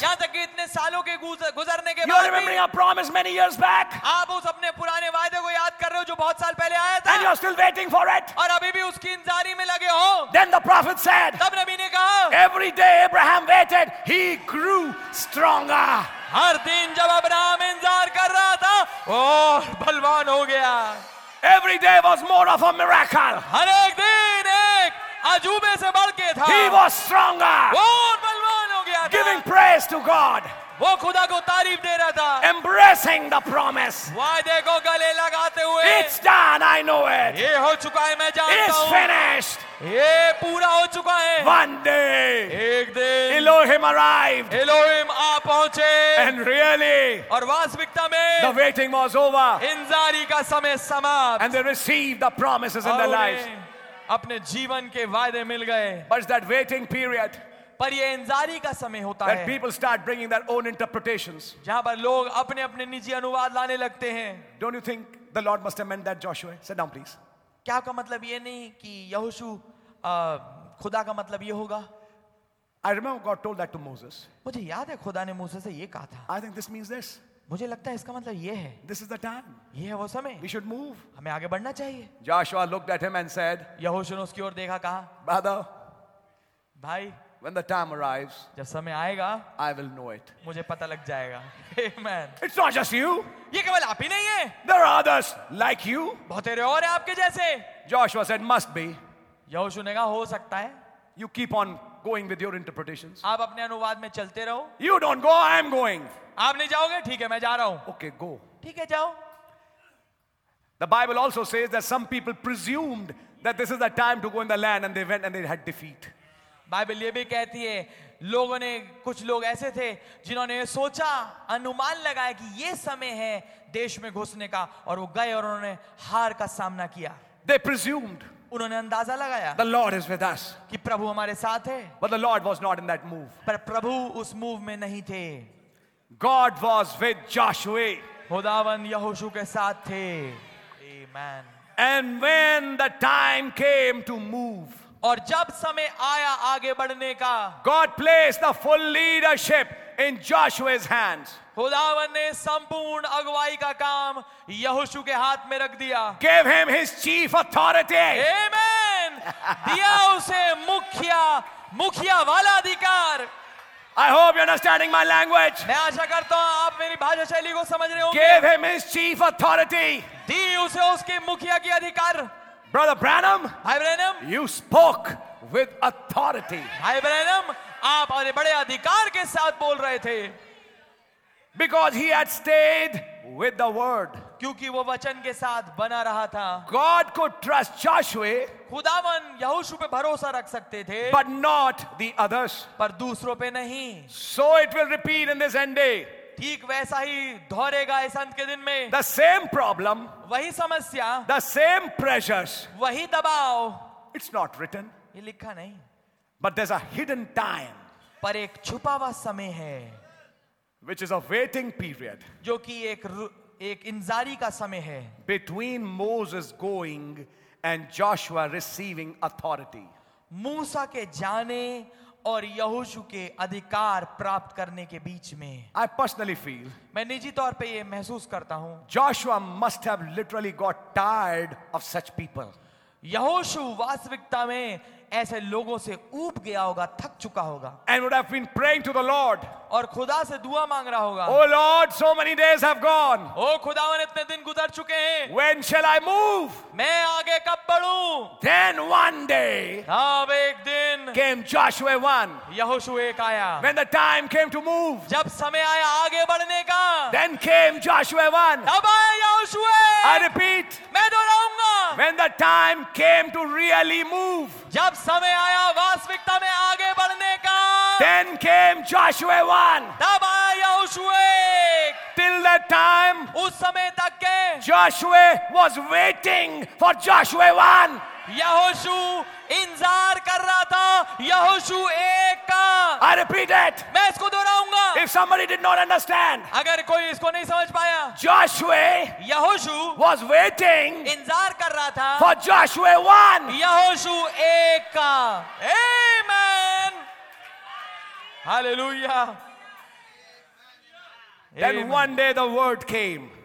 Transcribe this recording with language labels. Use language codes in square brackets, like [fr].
[hi] यहाँ तक कि इतने सालों के गुजरने के बाद? [en] You're remembering your promise many years back? [hi] आप उस अपने पुराने वायदे को याद कर रहे हो जो बहुत साल पहले आया था? [en] And you're still waiting for it? [hi] और अभी भी उसकी इंतजारी में लगे हो? [en] Then the prophet said. [hi] तब नबी ने कहा. [en] Every day Abraham waited, he grew stronger. [hi] हर दिन जब अब्राहम इंतजार कर रहा था, और बलवान हो गया. [en] Every day was more of a miracle. [hi] हर एक दिन एक अजूबे से बढ़ के था. [en] He was stronger. [hi] वो बलवान हो गया था. [en] Giving praise to God. [hi] वो खुदा को तारीफ दे रहा था. [en] Embracing the promise. [hi] वादे को गले लगाते हुए. [en] It's done. I know it. [hi] ये हो चुका है, मैं जानता हूँ. [en] It's finished. [hi] ये पूरा हो चुका है. [en] One day. [hi] एक दिन. [en] Elohim arrived. [hi] Elohim आ पहुँचे. [en] And really. [hi] और वास्तविकता में. [en] The waiting was over. [hi] इंतजारी का समय समाप्त. [en] And they received the promises in their lives. [hi] अपने जीवन के वादे मिल गए. [en] But it's that waiting period. [hi] पर ये इंतजारी का समय होता है। [en] People start bringing their own interpretations. [hi] जहाँ पर लोग अपने-अपने निजी अनुवाद लाने लगते हैं। [en] Don't you think the Lord must have meant that Joshua? Sit down, please. [hi] क्या का मतलब ये नहीं कि यहोशुआ खुदा का मतलब ये होगा? [en] I remember God told that to Moses. [hi] मुझे याद है खुदा ने मूसा से ये कहा था। [en] I think this means this. [hi] मुझे लगता है इसका मतलब ये है। [en] This is the time. [hi] ये है वो समय। [en] We should move. [hi] हमें आगे बढ़ना चाहिए। [en] Joshua looked at him and said. [hi] Yehoshua ने उसकी ओर देखा कहा। [en] Brother. [hi] भाई। [en] When the time arrives, [hi] जब समय आएगा, [en] I will know it. [hi] मुझे पता लग जाएगा. Amen. [en] It's not just you. [hi] ये केवल आप ही नहीं हैं. [en] There are others like you. [hi] बहुत सारे और हैं आपके जैसे. [en] Joshua said, "Must be." [hi] यहोशू ने कहा, हो सकता है. [en] You keep on going with your interpretations. [hi] आप अपने अनुवाद में चलते रहो. [en] You don't go. I am going. [hi] आप नहीं जाओगे? ठीक है, मैं जा रहा हूँ. [en] Okay, go. [hi] ठीक है, जाओ. [en] The Bible also says that some people presumed that this is the time to go in the land, and they went and they had defeat. [hi] Bible ये भी कहती है लोगों ने कुछ लोग ऐसे थे जिन्होंने सोचा अनुमान लगाया कि ये समय है देश में घुसने का और वो गए और उन्होंने हार का सामना किया. [en] They presumed. [hi] उन्होंने अंदाजा लगाया. [en] The Lord is with us. [hi] कि प्रभु हमारे साथ है. [en] But the Lord was not in that move. [hi] पर प्रभु उस मूव में नहीं थे. [en] God was with Joshua. [hi] खुदावंद यहोशू के साथ थे. Amen. [en] And when the time came to move. [hi] और जब समय आया आगे बढ़ने का, [en] God placed the full leadership in Joshua's hands. [hi] खुदावन ने संपूर्ण अगुवाई का काम यहोशू के हाथ में रख दिया. [en] Gave him his chief authority. Amen. [hi] दिया उसे मुखिया वाला अधिकार. [en] I hope you're understanding my language. [hi] मैं आशा करता हूँ आप मेरी भाषा शैली को समझ रहे होंगे. [en] Gave him his chief authority. [hi] दी उसे उसके मुखिया के अधिकार. [en] Brother Branham, Hi Branham, you spoke with authority. [hi] Hi Branham, आप अपने बड़े अधिकार के साथ बोल रहे थे. [en] Because he had stayed with the word. [hi] क्योंकि वो वचन के साथ बना रहा था. [en] God could trust Joshua. [hi] खुदावन यहोशू पे भरोसा रख सकते थे. [en] But not the others. [hi] पर दूसरों पे नहीं. [en] So it will repeat in this end day. [hi] ठीक वैसा ही दोहरेगा इस अंत के दिन में. [en] the same problem, [hi] वही समस्या. [en] the same pressures, [hi] वही दबाव. [en] it's not written, [hi] ये लिखा नहीं. [en] but there is a hidden time, [hi] पर एक छुपा हुआ समय है. [en] which is a waiting period, [hi] जो कि एक इंतजारी का समय है. [en] between Moses going and Joshua receiving authority, [hi] मूसा के जाने और यहोशू के अधिकार प्राप्त करने के बीच में. [en] I personally feel, [hi] मैं निजी तौर पे ये महसूस करता हूं, [en] Joshua must have literally got tired of such people. [hi] यहोशू वास्तविकता में ऐसे लोगों से ऊब गया होगा, थक चुका होगा. [en] And would have been praying to the Lord. [hi] और खुदा से दुआ मांग रहा होगा. [en] Oh Lord, so many days have gone. [hi] ओ खुदावन, इतने दिन गुजर चुके हैं. [en] When shall I move? [hi] मैं आगे कब बढूं? [en] Then one day. [hi] तब एक दिन. [en] Came Joshua one. [hi] यहोशू एक आया. [en] When the time came to move. [hi] जब समय आया आगे बढ़ने का. [en] Then came Joshua one. [hi] तब आया यहोशू एक. [en] I repeat. [hi] मैं दोहराऊंगा. [en] When the time came to really move. [hi] जब समय आया वास्तविकता में आगे बढ़ने का. [en] Then came Joshua one. [hi] तब आया यहोशू. [en] Till that time. [hi] उस समय तक के. [en] Joshua was waiting for Joshua one. [hi] यहोशू इंतजार कर रहा था यहोशू एक का. [en] I repeat it. [hi] मैं इसको दोहराऊंगा. [en] If somebody did not understand. [hi] अगर कोई इसको नहीं समझ पाया. [en] Joshua. [hi] यहोशू [en] was waiting. [hi] इंतजार कर कर रहा था [en] for Joshua one [hi] यहोशू एक का amen hallelujah [en] then one day the word came